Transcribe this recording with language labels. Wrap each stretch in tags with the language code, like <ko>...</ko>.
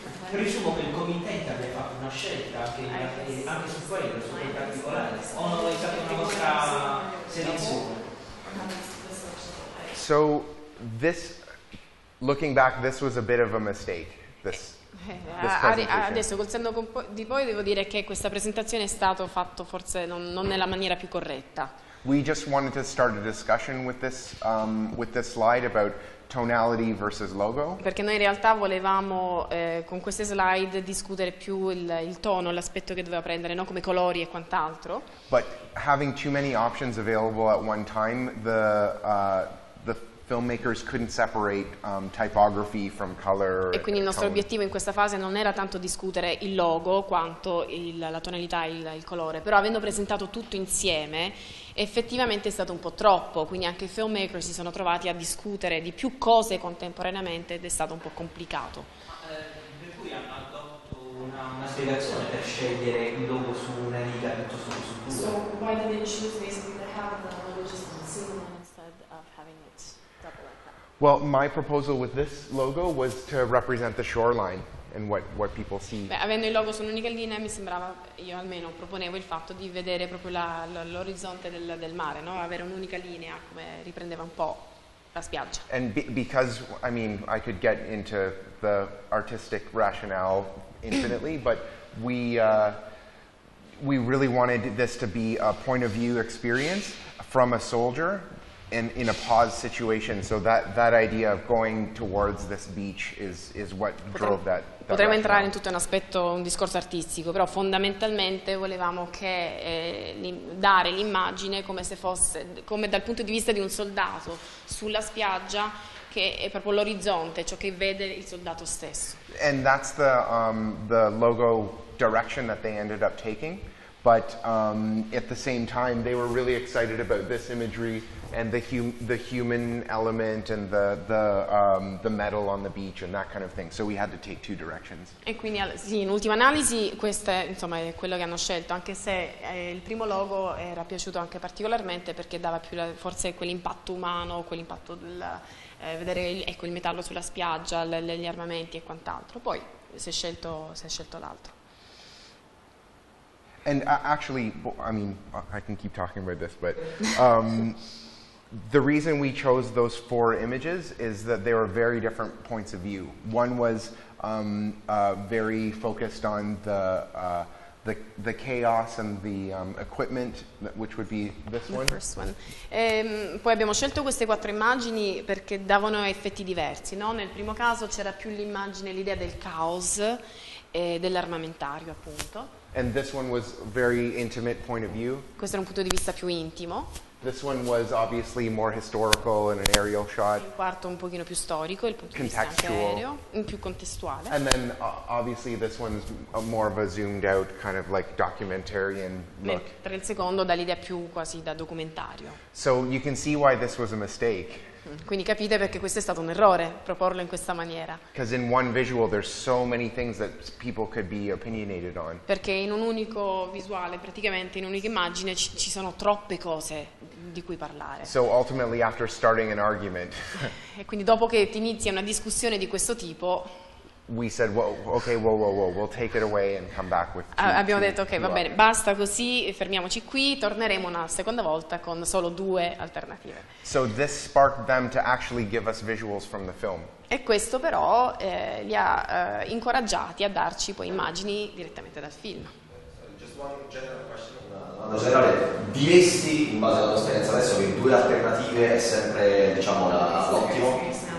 <it>Presumo che il committente abbia fatto una scelta anche su quello, su quei particolari, o non è stata una vostra selezione?</it> <en>So, this, looking back, this was a bit of a mistake.</en> <it>Adesso, considerando di voi, devo dire che questa presentazione è stata fatta forse non nella maniera più corretta.</it> <en>We just wanted to start a discussion with this slide about tonality versus logo.</en> <it>Perché noi in realtà volevamo con queste slide discutere più il tono, l'aspetto che doveva prendere, no? Come colori e quant'altro.</it> <en>But having too many options available at one time, the filmmakers couldn't separate typography from color.</en> <it>E quindi il nostro obiettivo in questa fase non era tanto discutere il logo quanto la tonalità e il colore, però avendo presentato tutto insieme effettivamente è stato un po' troppo, quindi anche i filmmakers si sono trovati a discutere di più cose contemporaneamente ed è stato un po' complicato. Per cui hanno adotto una spiegazione per scegliere il logo su una riga piuttosto che su due.</it> <en>So why did they choose basically to have the logo just on the single one instead of having it? Well, my proposal with this logo was to represent the shoreline and what people see.</en> <it>Beh, avendo il logo su un'unica linea, mi sembrava, io almeno proponevo il fatto di vedere proprio l'orizzonte del mare, no? Avere un'unica linea come riprendeva un po' la spiaggia.</it> <en>And because, I mean, I could get into the artistic rationale infinitely, but we really wanted this to be a point of view experience from a soldier. In a pause situation, so that idea of going towards this beach is what drove that.</en> <it>Potremmo entrare in tutto un aspetto, un discorso artistico, però fondamentalmente volevamo che dare l'immagine come se fosse, come dal punto di vista di un soldato sulla spiaggia, che è proprio l'orizzonte, ciò che vede il soldato stesso.</it> <en>And that's the logo direction that they ended up taking, but at the same time they were really excited about this imagery. And the human element and the metal on the beach and that kind of thing. So we had to take two directions.</en> <it>E quindi sì, in ultima analisi questo è, insomma, quello che hanno scelto, anche se il primo logo era piaciuto anche particolarmente perché dava più forse quell'impatto umano, quell'impatto del vedere il metallo sulla spiaggia, gli armamenti e quant'altro. Poi si è scelto l'altro.</it> <en>And actually, I mean, I can keep talking about this, but the reason we chose those four images is that they were very different points of view. One was very focused on the chaos and the equipment, which would be this one. The first one.</en> <it>Poi abbiamo scelto queste quattro immagini perché davano effetti diversi, no? Nel primo caso c'era più l'immagine, l'idea del caos e dell'armamentario, appunto.</it> <en>And this one was very intimate point of view.</en> <it>Questo era un punto di vista più intimo.</it> <en>This one was obviously more historical in an aerial shot.</en> <it>Il quarto un pochino più storico, il punto contextual. Di vista aereo, un più contestuale.</it> <en>And then obviously this one's more of a zoomed out kind of like documentarian look.</en> <it>Mentre il secondo dà l'idea più quasi da documentario.</it> <en>So you can see why this was a mistake.</en> <it>Quindi capite perché questo è stato un errore proporlo in questa maniera.</it> <en>Because in one visual there's so many things that people could be opinionated on.</en> <it>Perché in un unico visuale, praticamente in un'unica immagine, ci sono troppe cose di cui parlare.</it> <en>So ultimately after starting an argument.</en> <it>E quindi dopo che ti inizia una discussione di questo tipo,</it> <en>we said, well, okay, whoa, we'll take it away and come back with</en> <it>Bene, basta così, fermiamoci qui, torneremo una seconda volta con solo due alternative.</it> <en>So this sparked them to actually give us visuals from the film.</en> <it>E questo però li ha incoraggiati a darci poi immagini direttamente dal film.</it> <en>Just one general question, una generale.</en> <it>Diresti, in base alla tua esperienza adesso, che due alternative è sempre, diciamo, l'ottimo?</it>